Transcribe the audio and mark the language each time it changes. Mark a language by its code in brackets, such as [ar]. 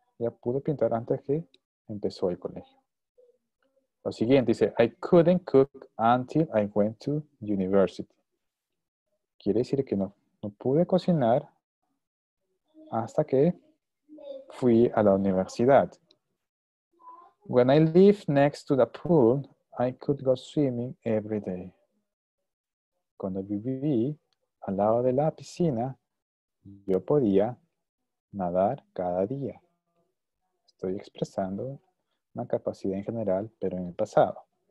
[es] Ella pudo pintar antes que empezó el colegio. Lo siguiente dice, [en] I couldn't cook until I went to university. [es] Quiere decir que no pude cocinar hasta que fui a la universidad. [en] When I live next to the pool, I could go swimming every day. [es] Cuando viví al lado de la piscina, yo podía nadar cada día. Estoy expresando una capacidad en general, pero en el pasado.